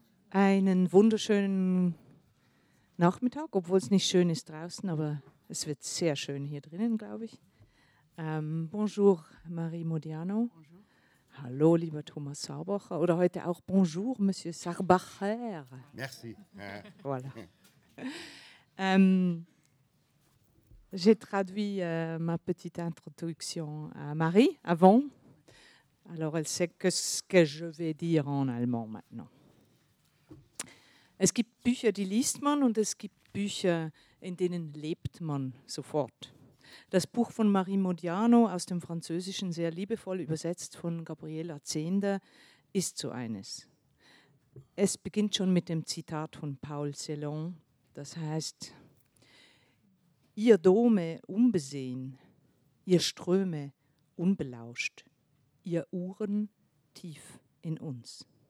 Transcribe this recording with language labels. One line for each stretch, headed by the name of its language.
German: Einen wunderschönen Nachmittag, obwohl es nicht schön ist draußen, aber es wird sehr schön hier drinnen, glaube ich.
French: Bonjour Marie Modiano. Bonjour.
German: Hallo lieber Thomas Saarbacher. Oder heute auch
French: bonjour Monsieur
German: Saarbacher.
French: Merci. Voilà. J'ai traduit ma petite introduction à Marie avant. Alors elle sait que ce que je vais dire en allemand maintenant.
German: Es gibt Bücher, die liest man, und es gibt Bücher, in denen lebt man sofort. Das Buch von Marie Modiano, aus dem Französischen sehr liebevoll übersetzt von Gabriela Zehnder, ist so eines. Es beginnt schon mit dem Zitat von Paul Celan, das heißt: Ihr Dome unbesehen, ihr Ströme unbelauscht, ihr Uhren tief in uns.